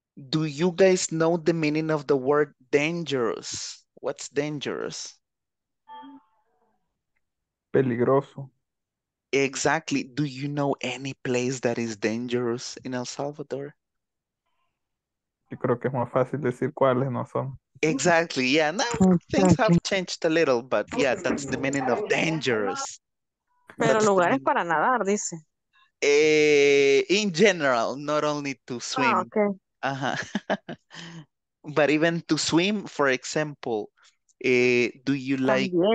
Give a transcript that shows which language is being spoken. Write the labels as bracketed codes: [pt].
[en] Do you guys know the meaning of the word dangerous? What's dangerous? [es] Peligroso. [en] Exactly. Do you know any place that is dangerous in El Salvador? [es] Yo creo que es más fácil decir cuáles no son. [en] Exactly. Yeah. Now things have changed a little, but yeah, that's the meaning of dangerous. [es] Pero lugares para nadar, dice. [en] In general, not only to swim. Oh, okay. Uh-huh. But even to swim, for example, do you like